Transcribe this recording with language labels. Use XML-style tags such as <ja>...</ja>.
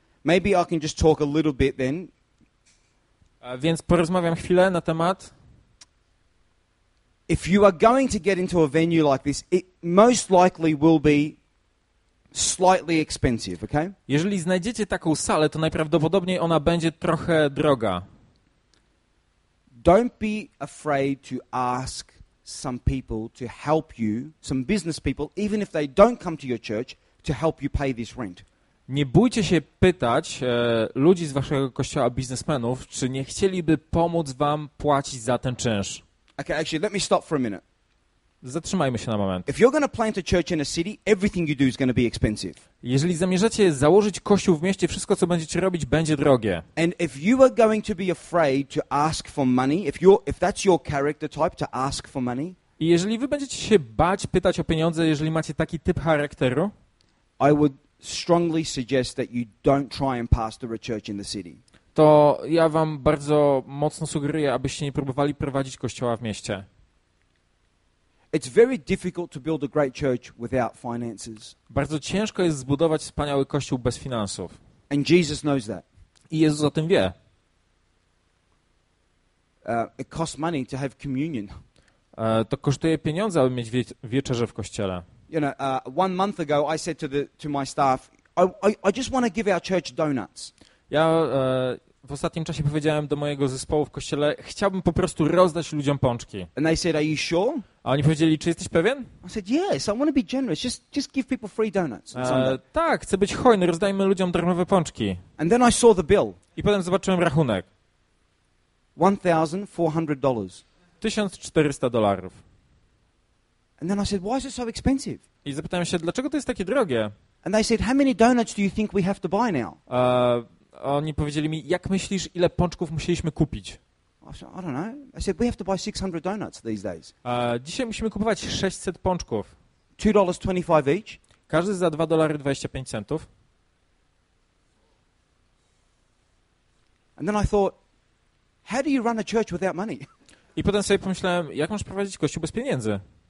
<en>Maybe I can just talk a little bit then.</en> <pl>Więc porozmawiam chwilę na temat.</pl> <en>If you are going to get into a venue like this, it most likely will be slightly expensive, okay?</en> <pl>Jeżeli znajdziecie taką salę, to najprawdopodobniej ona będzie trochę droga.</pl> <en>Don't be afraid to ask some people to help you, some business people, even if they don't come to your church, to help you pay this rent.</en> <pl>Nie bójcie się pytać ludzi z waszego kościoła, biznesmenów, czy nie chcieliby pomóc wam płacić za ten czynsz.</pl> <en>Okay, actually, let me stop for a minute.</en> <pl>Zatrzymajmy się na moment.</pl> <en>If you're going to plant a church in a city, everything you do is going to be expensive.</en> <pl>Jeżeli zamierzacie założyć kościół w mieście, wszystko co będziecie robić będzie drogie.</pl> <en>And if you are going to be afraid to ask for money, if that's your character type to ask for money,</en> <pl>i jeżeli wy będziecie się bać pytać o pieniądze, jeżeli macie taki typ charakteru,</pl> <en>I would strongly suggest that you don't try and pastor a church in the city.</en> <pl>To ja wam bardzo mocno sugeruję, abyście nie próbowali prowadzić kościoła w mieście.</pl> <en>It's very difficult to build a great church without finances.</en> <pl>Bardzo ciężko jest zbudować wspaniały kościół bez finansów.</pl> <en>And Jesus knows that.</en> <pl>I Jezus o tym wie.</pl> <en>It costs money to have communion.</en> <pl>To kosztuje pieniądze, aby mieć wieczerzę w kościele.</pl> <en>You know, one month ago I said to my staff, I just want to give our church donuts.</en> <pl>Ja w ostatnim czasie powiedziałem do mojego zespołu w kościele, chciałbym po prostu rozdać ludziom pączki.</pl> <en>And they said, are you sure?</en> <pl>A oni powiedzieli, czy jesteś pewien?</pl> <en>I said, yes, I want to be generous. Just give people free donuts.</en> <pl>Tak, chcę być hojny, rozdajmy ludziom darmowe pączki.</pl> <en>And then I saw the bill.</en> <pl>I potem zobaczyłem rachunek.</pl> <en>$1,400.</en> <pl>$1,400.</pl> <en>And then I said, why is it so expensive?</en> <pl>I zapytałem się, dlaczego to jest takie drogie?</pl> <en>And they said, how many donuts do you think we have to buy now?</en> <pl>Oni powiedzieli mi, jak myślisz, ile pączków musieliśmy kupić?</pl> <en>I said, I don't know. I said, we have to buy 600 donuts these days.</en> <pl>Dzisiaj musimy kupować 600 pączków.</pl> <en>$2.25 each.</en> <pl>Każdy za $2.25.</pl> <en>And then I thought, how do you run a church without money?</en> <pl>I potem sobie pomyślałem, jak możesz prowadzić kościół bez pieniędzy?</pl>